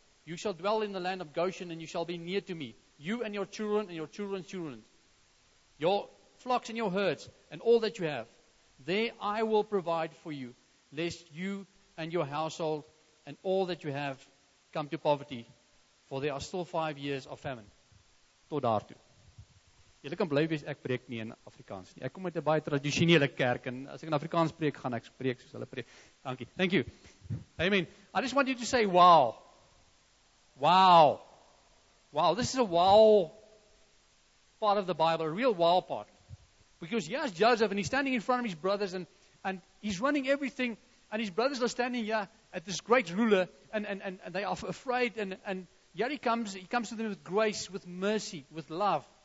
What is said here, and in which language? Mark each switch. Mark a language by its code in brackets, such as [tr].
[en] You shall dwell in the land of Goshen and you shall be near to me, you and your children and your children's children, your flocks and your herds and all that you have. There I will provide for you, lest you and your household and all that you have come to poverty, for there are still 5 years of famine." [af] Tot daartoe. Julle kan bly wees, ek preek nie in Afrikaans nie. Ek kom uit 'n baie tradisionele kerk en as ek in Afrikaans preek, gaan ek spreek soos hulle preek. Dankie. [en] Thank you. Amen. I just want you to say wow. Wow. Wow, this is a wow part of the Bible, a real wow part. Because here's Joseph and he's standing in front of his brothers and he's running everything and his brothers are standing here at this great ruler and they are afraid and here he comes to them with grace, with mercy, with love.